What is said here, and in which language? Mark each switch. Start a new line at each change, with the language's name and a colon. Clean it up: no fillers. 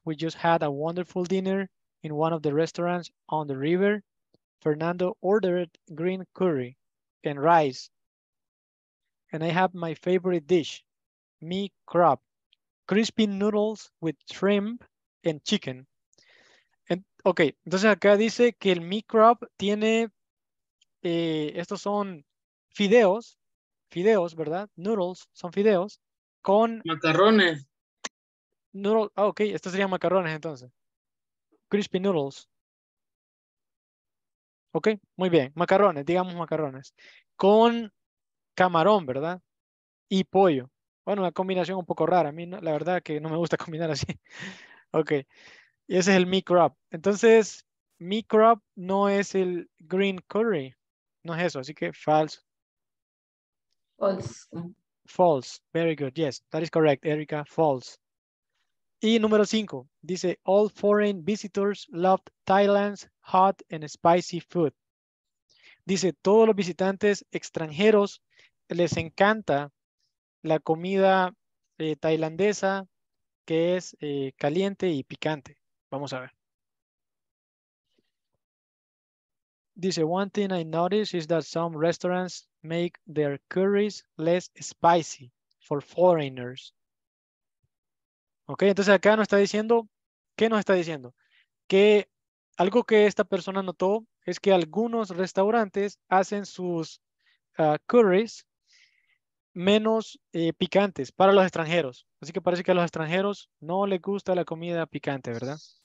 English: We just had a wonderful dinner in one of the restaurants on the river. Fernando ordered green curry and rice. And I have my favorite dish, mi crop. Crispy noodles with shrimp and chicken.
Spanish: Ok, entonces acá dice que el microb tiene, estos son fideos, ¿verdad? Noodles, son fideos, con... Macarrones. Noodles, ah, ok, estos serían macarrones entonces.
English: Crispy noodles.
Spanish: Ok, muy bien, macarrones, digamos macarrones. Con camarón, ¿verdad? Y pollo. Bueno, una combinación un poco rara, a mí la verdad que no me gusta combinar así. Ok. Y ese es el microb. Entonces, microb no es el green curry. No es eso. Así que false.
English: False. False. Very good. Yes, that is correct, Erika. False.
Spanish: Y número 5.
English: Dice, all foreign visitors loved Thailand's hot and spicy food.
Spanish: Dice, todos los visitantes extranjeros les encanta la comida tailandesa que es caliente y picante. Vamos a ver.
English: Dice, one thing I noticed is that some restaurants make their curries less spicy for foreigners.
Spanish: Ok, entonces acá nos está diciendo, ¿qué nos está diciendo? Que algo que esta persona notó es que algunos restaurantes hacen sus curries menos picantes para los extranjeros. Así que parece que a los extranjeros no les gusta la comida picante, ¿verdad?